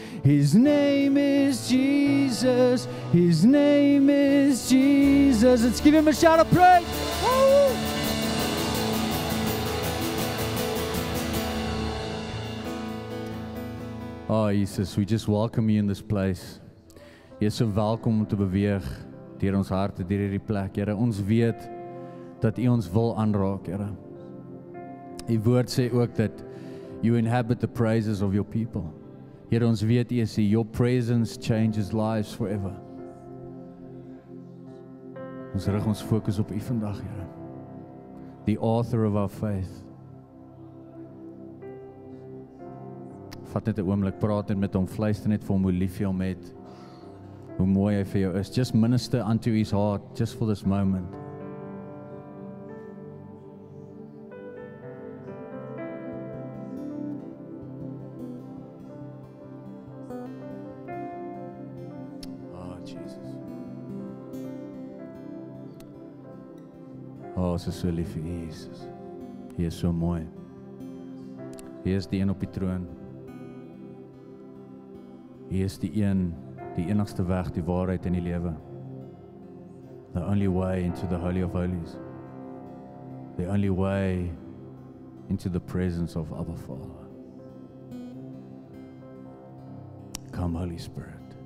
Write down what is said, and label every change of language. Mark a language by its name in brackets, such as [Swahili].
[English] His name is Jesus. His name is Jesus. Let's give him a shout of praise. Woo! Oh Jesus, we just welcome you in this place. [Afrikaans] Jy's so welkom om te beweeg deur ons harte, deur hierdie plek. Here, ons weet dat U ons wil aanraak, Here. U woord sê ook dat [English] you inhabit the praises of your people. [Afrikaans] Here, ons weet U sê [English] your presence changes lives forever. [Afrikaans] Ons rig ons fokus op U vandag, Here. [English] The author of our faith. [Afrikaans] Vat net 'n oomblik, praat net met hom, fluister net vir hom hoe lief jy hom het. Hoe mooi hy vir jou is. [English] Just minister unto his heart, just for this moment. Oh, Jesus. [Afrikaans] Oh, ons is so lief vir Jesus. Hy is so mooi. Hy is die een op die troon. Hy is die een, die enigste weg, die waarheid in die lewe. [English] The only way into the Holy of Holies. The only way into the presence of Abba Father. Come Holy Spirit.